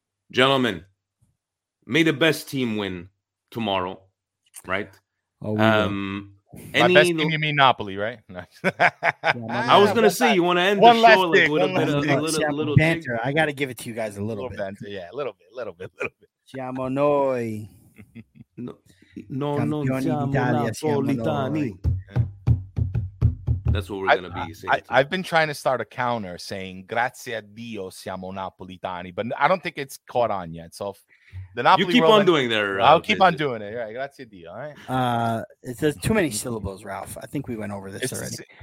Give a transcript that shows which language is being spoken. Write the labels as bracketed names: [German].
[English] Gentlemen, may the best team win tomorrow, right? Oh, my best team, you mean Napoli, right? I was going to say, you want to end the show like, with a bit of a little banter. I got to give it to you guys a little bit. Banter, yeah, a little bit. [Italian] Siamo noi. No, non siamo napoletani. [English] That's what we're going to be saying. I've been trying to start a counter saying, [Italian] grazie a Dio, siamo napoletani. [English] But I don't think it's caught on yet. So I'll keep on doing it. All right. [Italian] Grazie a Dio. [English] All right. It's too many syllables, Ralph. I think we went over this already.